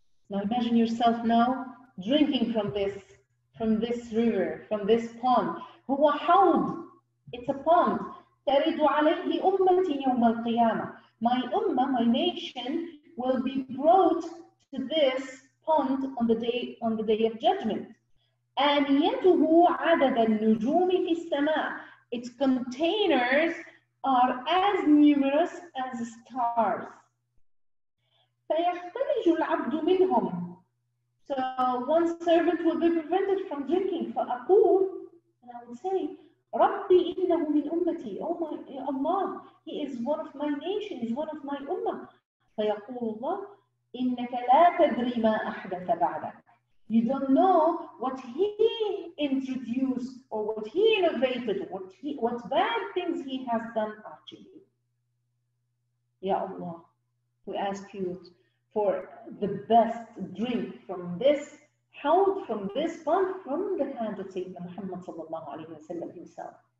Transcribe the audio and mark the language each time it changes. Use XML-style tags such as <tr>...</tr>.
<en>Now imagine yourself now drinking from this river, from this pond.</en> <ar>هُوَ حَوْضٌ.</ar> <en>It's a pond.</en> <ar>تَرِدُ عَلَيْهِ أُمَّتِي يَوْمَ الْقِيَامَةِ.</ar> <en>My ummah, my nation, will be brought to this pond on the day of judgment.</en> <ar>آنيته عدد النجوم في السماء.</ar> <en>Its containers are as numerous as stars.</en> <ar>فيختلج العبد منهم.</ar> <en>So one servant will be prevented from drinking.</en> <ar>فأقول,</ar> <en>and I will say,</en> <ar>ربي إنه من أمتي.</ar> <en>Oh my Allah, he is one of my nation, he is one of my ummah.</en> <ar>فيقول الله إنك لا تدري ما أحدث بعدك.</ar> <en>You don't know what he introduced or what he innovated, what bad things he has done actually. Ya Allah, we ask you for the best drink from this hold, from this pond, from the hand of Sayyidina Muhammad sallallahu alayhi wa sallam himself.</en>